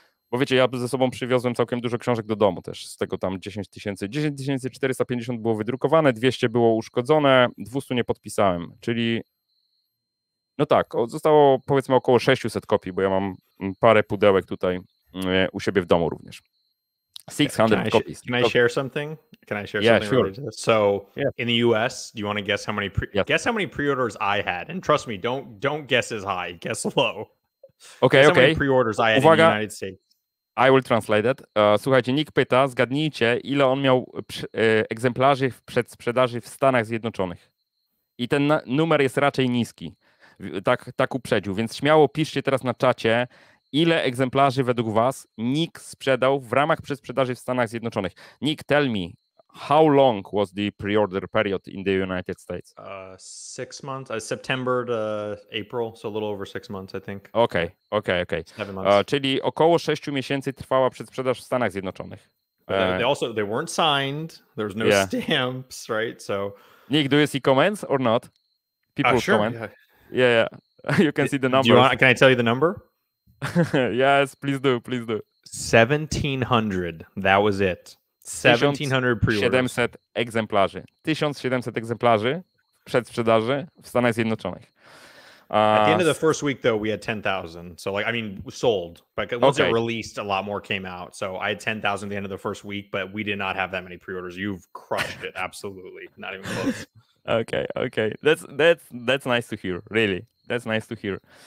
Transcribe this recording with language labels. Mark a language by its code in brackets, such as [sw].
[pl] Bo wiecie, ja ze sobą przywiozłem całkiem dużo książek do domu też, z tego tam 10 000. 10 450 było wydrukowane, 200 było uszkodzone, 200 nie podpisałem, czyli no tak, zostało powiedzmy około 600 kopii, bo ja mam parę pudełek tutaj u siebie w domu również. [en] 600 copies. Can I share something? Yeah, sure. So yeah. In the US, do you want to guess how many guess how many pre-orders I had? And trust me, don't guess as high, guess low. Okay, okay. How many pre-orders I had in the United States? I will translate it. [pl] Słuchajcie, Nick pyta, zgadnijcie, ile on miał egzemplarzy w przedsprzedaży w Stanach Zjednoczonych. I ten numer jest raczej niski. Tak uprzedził, więc śmiało piszcie teraz na czacie, ile egzemplarzy według was Nick sprzedał w ramach przedsprzedaży w Stanach Zjednoczonych. [en] Nick, tell me, how long was the pre-order period in the United States? 6 months, September to April, so a little over 6 months, I think. Okay. 7 months. [pl] Czyli około 6 miesięcy trwała przedsprzedaż w Stanach Zjednoczonych. [en] They weren't signed, there was no yeah. stamps, right? So Nick, do you see comments or not? People sure, comment. Yeah. Yeah, yeah, you can see the numbers. Can I tell you the number? Yes, please do. 1,700, that was it. 1,700 pre-orders. [pl] 700 egzemplarzy. 1,700 egzemplarzy przedsprzedaży w Stanach Zjednoczonych. [en] At the end of the first week, though, we had 10,000. So, like, I mean, sold. But once okay. it released, a lot more came out. So I had 10,000 at the end of the first week, but we did not have that many pre-orders. You've crushed it, absolutely. Not even close. Okay. That's nice to hear, really. That's nice to hear.